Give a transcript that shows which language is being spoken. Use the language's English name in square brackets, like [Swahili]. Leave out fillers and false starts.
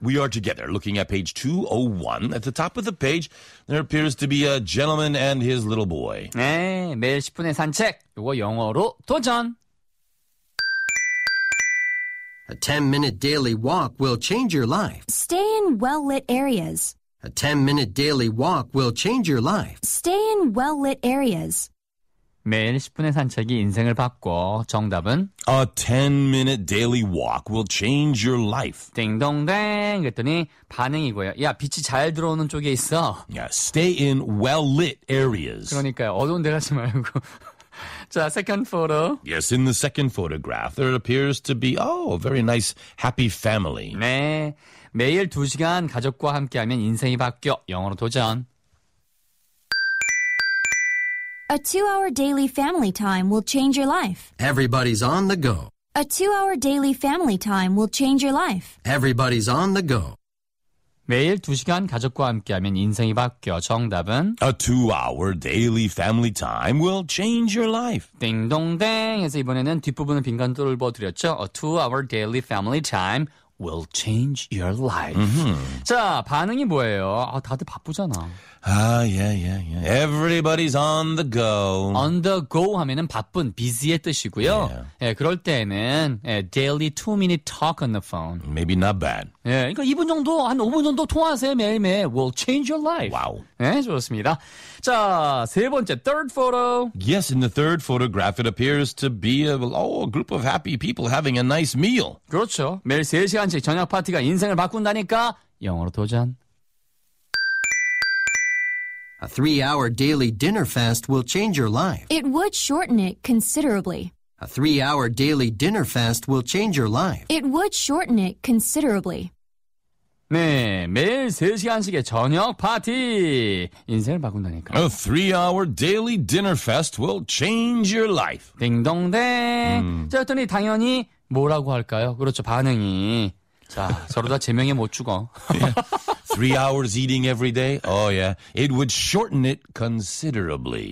[English] We are together looking at page 201. At the top of the page, there appears to be a gentleman and his little boy. [Korean] 네, 매일 10분의 산책. 이거 영어로 도전. [English] A 10-minute daily walk will change your life. Stay in well-lit areas. A 10-minute daily walk will change your life. Stay in well-lit areas. [Korean] 매일 10분의 산책이 인생을 바꿔. 정답은? [English] A 10-minute daily walk will change your life. [Korean] 딩동댕. 그랬더니 반응이고요. 야, 빛이 잘 들어오는 쪽에 있어. [English] Yeah, stay in well-lit areas. [Korean] 그러니까요. 어두운 데 가지 말고. 자, [English] second photo. Yes, in the second photograph, there appears to be, oh, a very nice, happy family. [Korean] 네, 매일 2시간 가족과 함께하면 인생이 바뀌어. 영어로 도전. [English] A 2-hour daily family time will change your life. Everybody's on the go. A 2-hour daily family time will change your life. Everybody's on the go. [Korean] 매일 2시간 가족과 함께하면 인생이 바뀌어 정답은 [English] A 2-hour daily family time will change your life. [Korean] 띵동댕 해서 이번에는 뒷부분을 빈칸 뚫어드렸죠. [English] A 2-hour daily family time will change your life. Mm-hmm. [Korean] 자, 반응이 뭐예요? 아, 다들 바쁘잖아. [English] Yeah. Everybody's on the go. On the go [Korean] 하면은 바쁜, busy의 뜻이고요. [English] Yeah. [Korean] 예, 그럴 때에는 예, [English] daily 2-minute talk on the phone. Maybe not bad. [Korean] 예, 그러니까 2분 정도, 한 5분 정도 통화하세요, 매일매일. [English] Will change your life. Wow. [Korean] 예, 좋습니다. 자, 세 번째, [English] third photo. Yes, in the third photograph, it appears to be a group of happy people having a nice meal. [Korean] 그렇죠. 매일 3시간씩 저녁 파티가 인생을 바꾼다니까 영어로 도전. [English] A 3-hour daily dinner fast will change your life. It would shorten it considerably. A 3-hour daily dinner fast will change your life. It would shorten it considerably. [Korean] 네, 매일 3시간씩의 저녁 파티. 인생을 바꾼다니까. [English] A 3-hour daily dinner fast will change your life. [Korean] 딩동댕. 자, 그랬더니 당연히 뭐라고 할까요? 그렇죠, 반응이. 자, 서로 다 제명에 못 죽어. [English] Yeah. 3 hours eating every day? Oh, yeah. It would shorten it considerably.